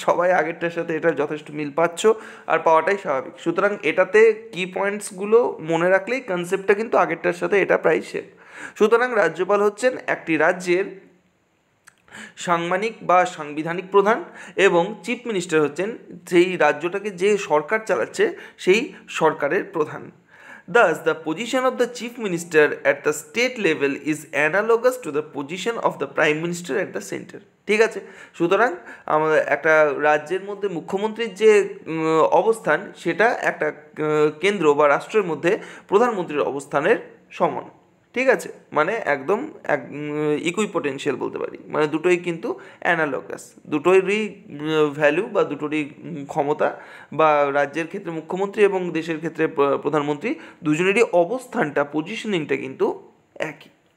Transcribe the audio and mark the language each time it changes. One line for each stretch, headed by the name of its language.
Bangla: সবাই আগেরটার সাথে এটা যথেষ্ট মিল পাচ্ছ আর পাওয়াটাই স্বাভাবিক, সুতরাং এটাতে কী পয়েন্টসগুলো মনে রাখলেই কনসেপ্টটা কিন্তু আগেরটার সাথে এটা প্রায় সেম। সুতরাং রাজ্যপাল হচ্ছেন একটি রাজ্যের সাংবিধানিক বা সাংবিধানিক প্রধান, এবং চিফ মিনিস্টার হচ্ছেন সেই রাজ্যটাকে যে সরকার চালাচ্ছে সেই সরকারের প্রধান।
English: Thus, the position of the chief minister at the state level is analogous to the position of the prime minister at the center.
Bangla: ঠিক আছে, সুতরাং আমাদের একটা রাজ্যের মধ্যে মুখ্যমন্ত্রীর যে অবস্থান সেটা একটা কেন্দ্র বা রাষ্ট্রের মধ্যে প্রধানমন্ত্রীর অবস্থানের সমান। ঠিক আছে, মানে একদম এক ইকুইপোটেনশিয়াল বলতে পারি, মানে দুটোই কিন্তু অ্যানালগাস, দুটোরই ভ্যালু বা দুটোরই ক্ষমতা, বা রাজ্যের ক্ষেত্রে মুখ্যমন্ত্রী এবং দেশের ক্ষেত্রে প্রধানমন্ত্রী দুজনেরই অবস্থানটা, পজিশনিংটা কিন্তু একই।